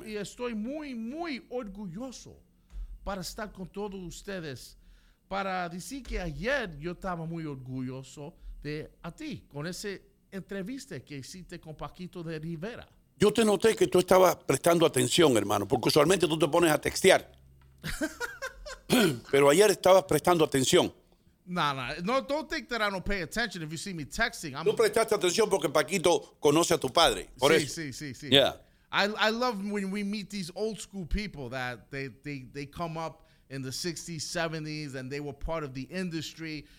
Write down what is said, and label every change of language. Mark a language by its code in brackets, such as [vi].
[es] y estoy muy, muy orgulloso para estar con todos ustedes. Para decir que ayer yo estaba muy orgulloso de a ti, con ese entrevista que hiciste con Paquito de Rivera. Yo te noté que tú estabas prestando atención, hermano, porque usualmente tú te pones a textear. Pero ayer estabas prestando atención. [en] No, don't think that I don't pay attention if you see me texting. [es] Tú prestaste atención porque Paquito conoce a tu padre. Sí. [en] Yeah. I love when we meet these old school people that they come up in the 60s, 70s, and they were part of the industry.